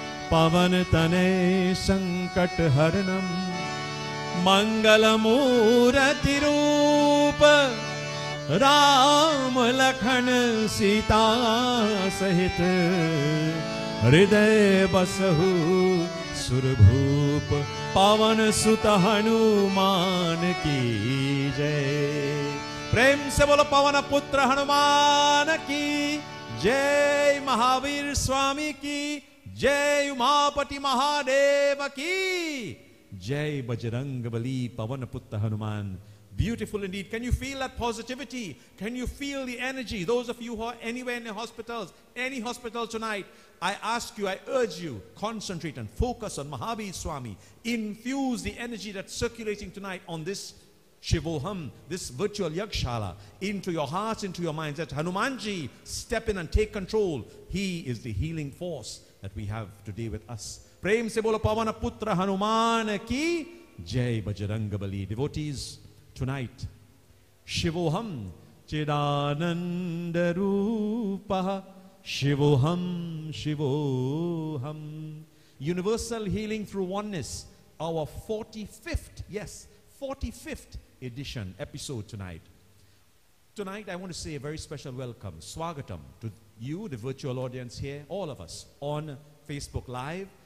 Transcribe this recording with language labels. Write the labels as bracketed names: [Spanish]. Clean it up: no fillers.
[Hindi] पवन तने संकट हरनम मंगलमूरति रूप राम लखन सीता सहित हृदय बसहु सुरभूप पवन सुत हनुमान की जय प्रेम से बोलो पवन पुत्र हनुमान की जय महावीर स्वामी की जय उमापति महादेव की जय बजरंग बली पवन पुत्र Hanuman [English] Beautiful indeed. Can you feel that positivity? Can you feel the energy? Those of you who are anywhere in the hospitals, any hospital tonight, I ask you, I urge you, concentrate and focus on Mahavir Swami. Infuse the energy that's circulating tonight on this Shivoham, this virtual Yakshala, into your hearts, into your minds. That Hanumanji, step in and take control. He is the healing force that we have today with us. [Hindi] Prem se bolo pavana putra Hanuman ki jai bajarangabali. [English] Devotees, tonight, [Sanskrit] Shivoham Chidananda Rupa Shivoham Shivoham. [English] Universal Healing Through Oneness, our 45th, yes, 45th edition, episode tonight. Tonight, I want to say a very special welcome, Swagatam, to you, the virtual audience here, all of us, on Facebook Live.